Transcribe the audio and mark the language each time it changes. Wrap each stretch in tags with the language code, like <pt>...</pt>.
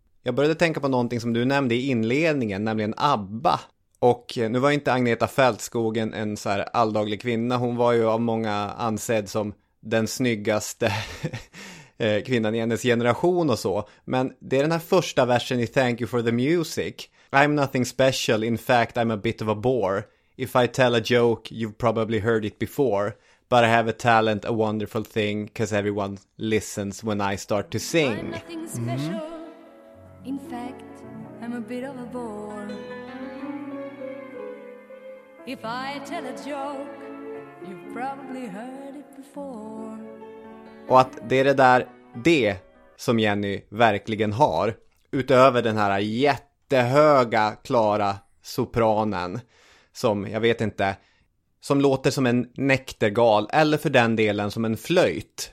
<sv>Jag började tänka på någonting som du nämnde i inledningen, nämligen ABBA. Och nu var inte Agneta Fältskogen en så här alldaglig kvinna. Hon var ju av många ansedd som den snyggaste kvinnan i hennes generation och så. Men det är den här första versen i Thank You for the Music.</sv> <en>I'm nothing special, in fact I'm a bit of a bore. If I tell a joke, you've probably heard it before. But I have a talent, a wonderful thing, because everyone listens when I start to sing. I'm nothing special. In fact, I'm a bit of a bore. If I tell a joke, you've probably heard it before.</en> <sv>Och att det är det som Jenny verkligen har, utöver den här jättehöga, klara sopranen. Som, jag vet inte, som låter som en näktergal eller för den delen som en flöjt.</sv>